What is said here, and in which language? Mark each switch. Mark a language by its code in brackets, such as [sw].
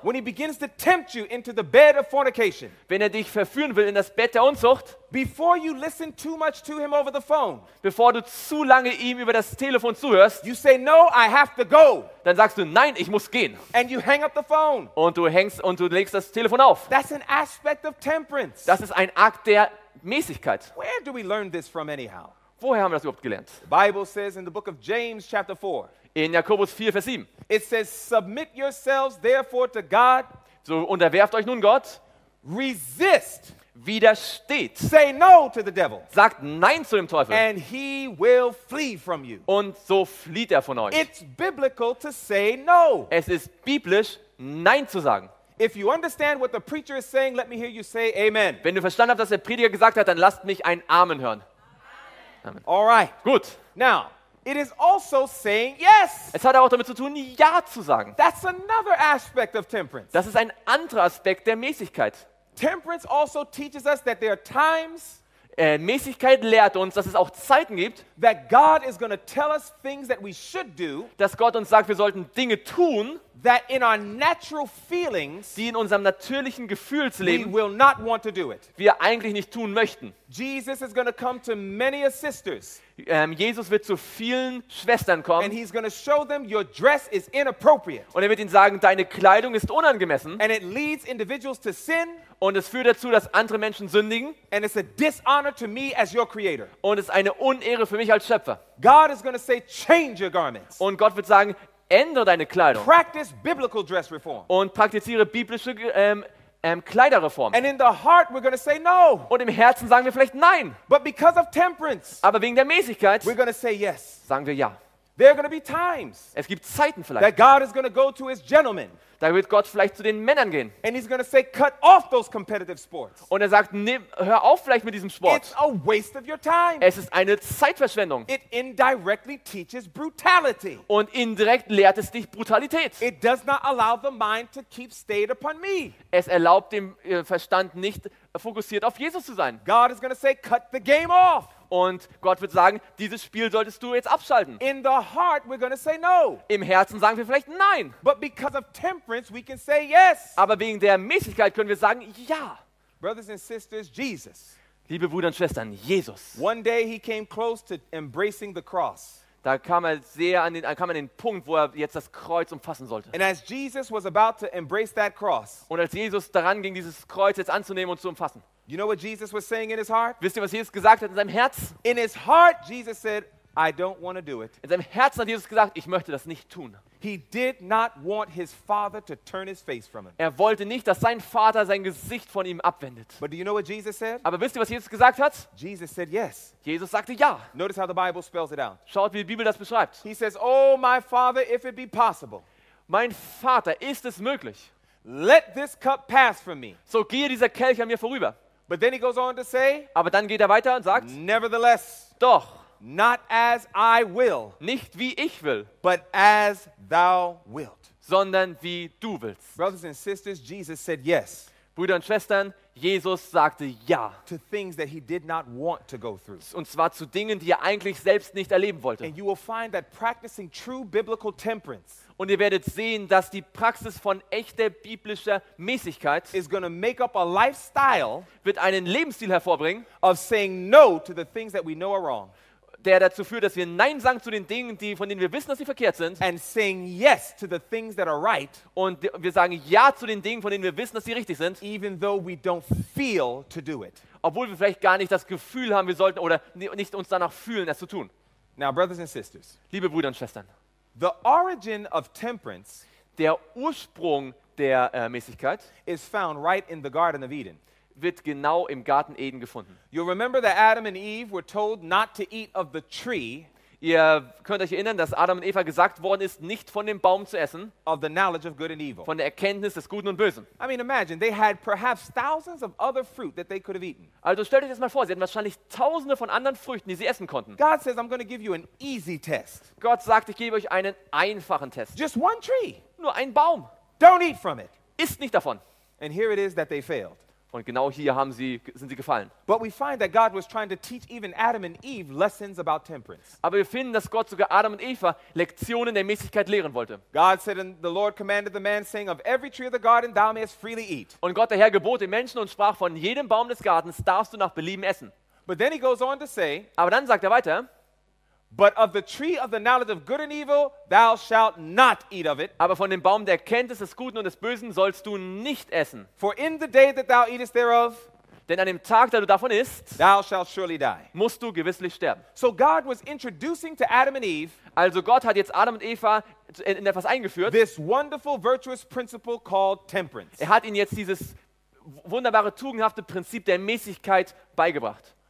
[en] when he begins to tempt you into the bed of fornication, [de] wenn er dich verführen will in das Bett der Unzucht, [en] before you listen too much to him over the phone, [de] bevor du zu lange ihm über das Telefon zuhörst, [en] you say no, I have to go. [de] Dann sagst du nein, ich muss gehen. [en] And you hang up the phone. [de] Und du legst das Telefon auf. [en] That's an aspect of temperance. [de] Das ist ein Akt der Mäßigkeit. [en] Where do we learn this from anyhow? [de] Woher haben wir das überhaupt gelernt? [en] The Bible says in the book of James chapter 4. [de] In Jakobus 4 Vers 7. [en] It says submit yourselves therefore to God. [de] So unterwerft euch nun Gott. [en] Resist. [de] Widersteht. [en] Say no to the devil. [de] Sagt nein zu dem Teufel. [en] And he will flee from you. [de] Und so flieht er von euch. [en] It's biblical to say no. [de] Es ist biblisch nein zu sagen. [en] If you understand what the preacher is saying, let me hear you say amen. [de] Wenn du verstanden hast, was der Prediger gesagt hat, dann lasst mich ein Amen hören. [en] Amen. All right. [de] Gut. [en] Now, it is also saying yes. [de] Es hat auch damit zu tun, ja zu sagen. [en] That's another aspect of temperance. [de] Das ist ein anderer Aspekt der Mäßigkeit. [en] Temperance also teaches us that there are times. [de] Mäßigkeit lehrt uns, dass es auch Zeiten gibt, [en] that God is going to tell us things that we should do. [de] Dass Gott uns sagt, wir sollten Dinge tun. [en] That in our natural feelings, [de] die in unserem natürlichen Gefühlsleben, [en] we will not want to do it. [de] Wir eigentlich nicht tun möchten. [en] Jesus is going to come to many a sisters. [de] Jesus wird zu vielen Schwestern kommen. [en] And he's going to show them your dress is inappropriate. [de] Und er wird ihnen sagen, deine Kleidung ist unangemessen. [en] And it leads individuals to sin. [de] Und es führt dazu, dass andere Menschen sündigen. [en] And it's a dishonor to me as your creator. [de] Und es ist eine Unehre für mich als Schöpfer. [en] God is going to say, change your garments. [de] Und Gott wird sagen, ändere deine Kleidung. [en] Practice biblical dress reform. [de] Und praktiziere biblische Kleiderreform. [en] And in the heart we're going to say no. [de] Und im Herzen sagen wir vielleicht nein. [en] But because of temperance, [de] aber wegen der Mäßigkeit, [en] we're going to say yes. [de] Sagen wir ja. [en] There are going to be times, [de] es gibt Zeiten vielleicht, [en] that God is going to go to his gentlemen. [de] Da wird Gott vielleicht zu den Männern gehen. [en] And he's going to say, cut off those competitive sports. [de] Und er sagt, hör auf vielleicht mit diesem Sport. [en] It's a waste of your time. [de] Es ist eine Zeitverschwendung. [en] It indirectly teaches brutality. [de] Und indirekt lehrt es dich Brutalität. [en] It does not allow the mind to keep stayed upon me. [de] Es erlaubt dem Verstand nicht, fokussiert auf Jesus zu sein. [en] God is going to say, cut the game off. [de] Und Gott wird sagen, dieses Spiel solltest du jetzt abschalten. [en] In the heart we're gonna say no. [de] Im Herzen sagen wir vielleicht nein. [en] But because of temperance we can say yes. [de] Aber wegen der Mäßigkeit können wir sagen ja. [en] Brothers and sisters, Jesus. [de] Liebe Brüder und Schwestern, Jesus. [en] One day he came close to embracing the cross. [de] Da kam er sehr an den, kam an den Punkt, wo er jetzt das Kreuz umfassen sollte. [en] And as Jesus was about to embrace that cross. [de] Und als Jesus daran ging, dieses Kreuz jetzt anzunehmen und zu umfassen. [en] You know what Jesus was saying in his heart? [de] Wisst ihr, was Jesus gesagt hat in seinem Herz? [en] In his heart, Jesus said, I don't want to do it. [de] In seinem Herzen hat Jesus gesagt, ich möchte das nicht tun. [en] He did not want his father to turn his face from him. [de] Er wollte nicht, dass sein Vater sein Gesicht von ihm abwendet. [en] But do you know what Jesus said? [de] Aber wisst ihr, was Jesus gesagt hat? [en] Jesus said yes. [de] Jesus sagte ja. [en] Notice how the Bible spells it out. [de] Schaut, wie die Bibel das beschreibt. [en] He says, oh, my father, if it be possible. [de] Mein Vater, ist es möglich? [en] Let this cup pass from me. [de] So gehe dieser Kelch an mir vorüber. [en] But then he goes on to say, [de] aber dann geht er weiter und sagt, [en] nevertheless, [de] doch, [en] not as I will, [de] nicht wie ich will, [en] but as thou wilt, [de] sondern wie du willst. [en] Brothers and sisters, Jesus said yes. [de] Brüder und Schwestern, Jesus sagte ja. [en] To things that he did not want to go through. [de] Und zwar zu Dingen, die er eigentlich selbst nicht erleben wollte. [en] And you will find that practicing true biblical temperance. [de] Und ihr werdet sehen, dass die Praxis von echter biblischer Mäßigkeit [en] is gonna make up a lifestyle, [de] wird einen Lebensstil hervorbringen, [en] of saying no to the things that we know are wrong, [de] der dazu führt, dass wir nein sagen zu den Dingen, die, von denen wir wissen, dass sie verkehrt sind, [en] and saying yes to the things that are right, [de] und wir sagen ja zu den Dingen, von denen wir wissen, dass sie richtig sind, [en] even though we don't feel to do it, [de] obwohl wir vielleicht gar nicht das Gefühl haben, wir sollten oder nicht uns danach fühlen, es zu tun. [en] Now, brothers and sisters, [de] liebe Brüder und Schwestern. [en] The origin of temperance, [de] der Ursprung der Mäßigkeit, [en] is found right in the Garden of Eden. [de] Wird genau im Garten Eden gefunden. [en] You remember that Adam and Eve were told not to eat of the tree. [de] Ihr könnt euch erinnern, dass Adam und Eva gesagt worden ist, nicht von dem Baum zu essen. [en] Of the knowledge of good and evil. [de] Von der Erkenntnis des Guten und Bösen. [en] I mean, imagine they had perhaps thousands of other fruit that they could have eaten. [de] Also stellt euch das mal vor, sie hatten wahrscheinlich Tausende von anderen Früchten, die sie essen konnten. [en] God says, I'm going to give you an easy test. [de] Gott sagt, ich gebe euch einen einfachen Test. [en] Just one tree. [de] Nur ein Baum. [en] Don't eat from it. [de] Isst nicht davon. [en] And here it is that they failed. [de] Und genau hier haben sie, sind sie gefallen. [en] But we find that God was trying to teach even Adam and Eve lessons about temperance. [de] Aber wir finden, dass Gott sogar Adam und Eva Lektionen der Mäßigkeit lehren wollte. [en] God said, and the Lord commanded the man, saying, of every tree of the garden thou mayest freely eat. [de] Und Gott der Herr gebot den Menschen und sprach, von jedem Baum des Gartens darfst du nach Belieben essen. [en] But then he goes on to say, [de] aber dann sagt er weiter, [en] but of the tree of the knowledge of good and evil thou shalt not eat of it. [de] Aber von dem Baum der Erkenntnis des Guten und des Bösen sollst du nicht essen. [en] For in the day that thou eatest thereof, [de] Denn an dem Tag, da du davon isst, [en] thou shalt surely die. [de] Musst du gewisslich sterben. [en] So God was introducing to Adam and Eve, [de] also Gott hat jetzt Adam und Eva in etwas eingeführt. [en] This wonderful virtuous principle called temperance. [de] Er hat ihnen jetzt dieses wunderbare tugendhafte Prinzip der Mäßigkeit beigebracht.